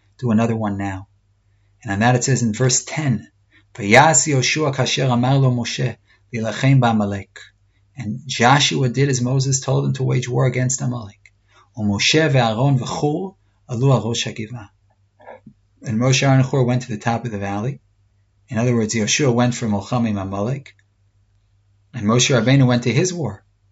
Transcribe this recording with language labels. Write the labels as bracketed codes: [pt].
[en] Do another one now. And on that it says in verse 10, [he] ויעש יהושע כאשר אמר לו משה, להילחם בעמלק. [en] And Joshua did as Moses told him to wage war against Amalek. [he] Moshe ve'Aaron v'Chur alu al Rosh HaGiva. [en] And Moshe, Aaron, and Chur went to the top of the valley. In other words, Yoshua went for Melchama im Amalek. And Moshe Rabbeinu went to his war.